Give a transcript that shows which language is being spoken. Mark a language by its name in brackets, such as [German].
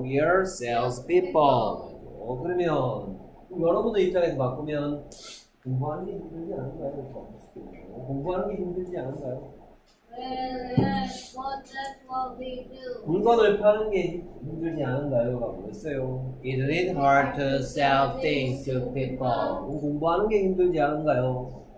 [English] We are sales people. [Korean] 그러면 여러분들 입장에서 바꾸면 공부하는 게 힘들지 않은가요? 공부하는 게 힘들지 않은가요? [English] Well, that's what we do. [Korean] 물건을 파는 게 힘들지 않은가요? 라고 했어요. [English] Is it hard to sell things to people? [Korean] 공부하는 게 힘들지 않은가요?